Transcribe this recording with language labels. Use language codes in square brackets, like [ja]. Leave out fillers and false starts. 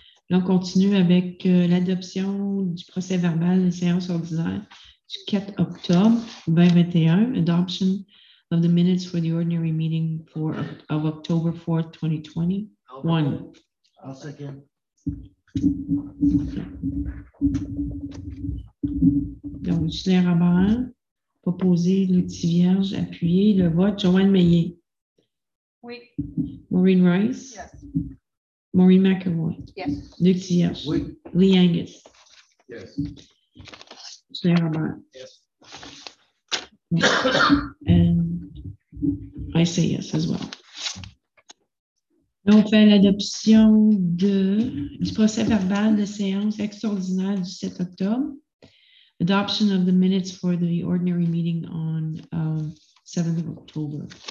[fr] Là, on continue avec l'adoption du procès verbal de séance ordinaire du 4 octobre 2021. [en] Adoption of the minutes for the ordinary meeting of October 4th, 2021. I'll second. [fr] Donc, Gilles Robert, proposé, Lutti Vierge, appuyé, le vote, Joanne Meillet. Oui. Maureen Rice. [en] Yes. Maureen McAvoy. Yes. Luc Thiers. [fr] Oui. Lee Angus. [en] Yes. Claire Robert. Yes. And I say yes as well. [fr] Donc, on fait l'adoption du procès verbal de séance extraordinaire du 7 octobre. [en] Adoption of the minutes for the ordinary meeting on 7th of October.